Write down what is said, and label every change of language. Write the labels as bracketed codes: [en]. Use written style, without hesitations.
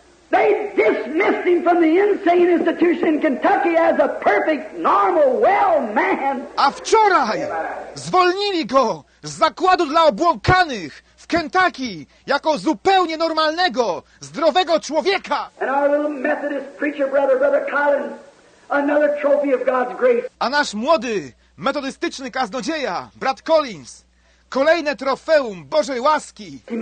[en] They dismissed him from the insane institution in Kentucky as a perfect, normal, well man. [pl] A wczoraj zwolnili go z zakładu dla obłąkanych w Kentucky jako zupełnie normalnego, zdrowego człowieka. [en] And our little Methodist preacher brother, Brother Collins, another trophy of God's grace. [pl] A nasz młody, metodystyczny kaznodzieja, brat Collins, kolejne trofeum Bożej łaski.